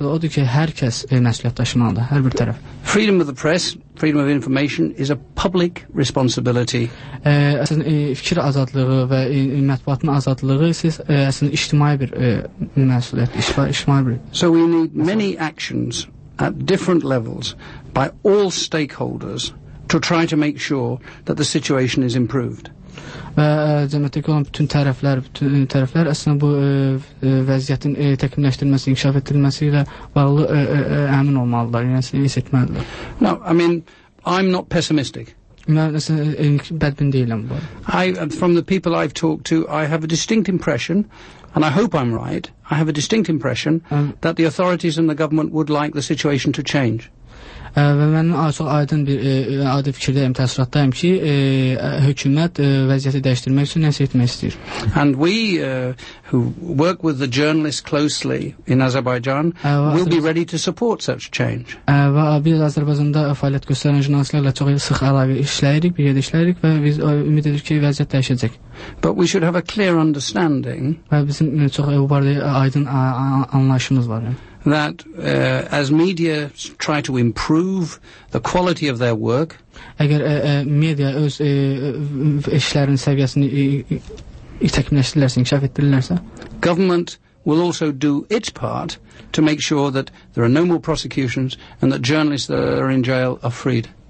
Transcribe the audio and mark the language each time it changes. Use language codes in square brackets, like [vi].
[en] Freedom of the press, freedom of information is a public responsibility. [az] Fikir azadlığı və mətbuatın azadlığı siz əslində ictimai bir məsuliyyət, ictimai bir. [en] So we need many actions at different levels by all stakeholders to try to make sure that the situation is improved. [az] Və cəmiyyətdəki olan bütün tərəflər əslində bu vəziyyətin təkmilləşdirilməsi, inkişaf etdirilməsi ilə bağlı əmin olmalıdırlar, yəni hiss etməlidirlər. [en] No, I mean, I'm not pessimistic. [az] Mən əslində bədbin deyiləm bu. [en] From the people I've talked to, I have a distinct impression, and I hope I'm right, I have a distinct impression that the authorities and the government would like the situation to change. [az] Və mən çox aydın bir adi fikirdəyim, təsiratdayım ki, hökumət vəziyyəti dəyişdirmək üçün nəsə etmək istəyir. [en] And we who work with the journalists closely in Azerbaijan will be ready to support such change. [az] Və biz Azərbaycanda fəaliyyət göstərən jurnalistlərlə çox sıx əlaqə işləyirik, bir yerdə işləyirik və biz ümid edirik ki, vəziyyət dəyişəcək. [en] But we should have a clear understanding. [az] Və bizim çox bu barədə aydın anlayışımız var. [en] That as media try to improve the quality of their work, [az] əgər media öz işlərin səviyyəsini təkmilləşdirirlərsə, inkişaf etdirirlərsə, [en] government will also do its part to make sure that there are no more prosecutions and that journalists that are in jail are freed.